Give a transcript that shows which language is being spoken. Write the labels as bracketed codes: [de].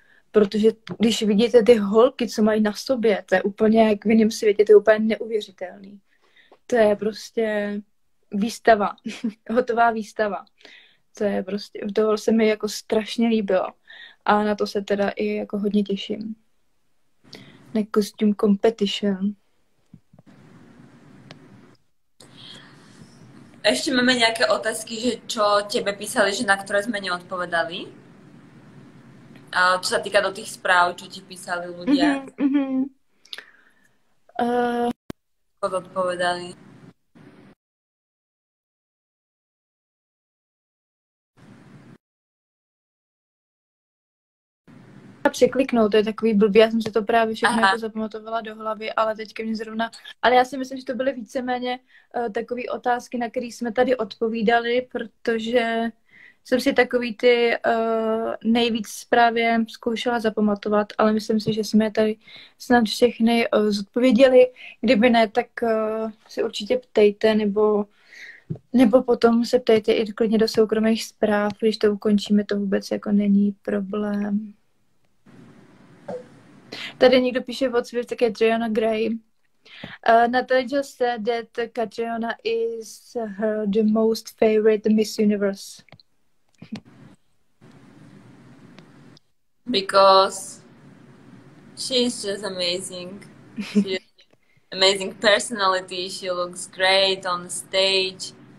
[cs] Protože když vidíte ty holky, co mají na sobě, to je úplně, jak v jiném světě, to je úplně neuvěřitelný. To je prostě výstava, hotová výstava. To je prostě, to se mi jako strašně líbilo. A na to se teda i jako hodně těším. Na costume competition. Ještě máme nějaké otázky, že čo tebe písali, že na které jsme neodpovedali? A co se týká do těch zpráv, co ti písali lidé? Co odpovedali? Překliknout, to je takový blbý, já jsem si to právě všechno jako zapamatovala do hlavy, ale teďka mě zrovna, ale já si myslím, že to byly víceméně takové otázky, na které jsme tady odpovídali, protože jsem si takový ty nejvíc právě zkoušela zapamatovat, ale myslím si, že jsme tady snad všechny zodpověděli, kdyby ne, tak si určitě ptejte, nebo potom se ptejte i klidně do soukromých zpráv, když to ukončíme, to vůbec jako není problém. Tady někdo píše o cvě, tak je Triana Gray. [en] Natalia said that Catriona is her the most favorite Miss Universe. Because she is just amazing. She amazing personality. She looks great on stage.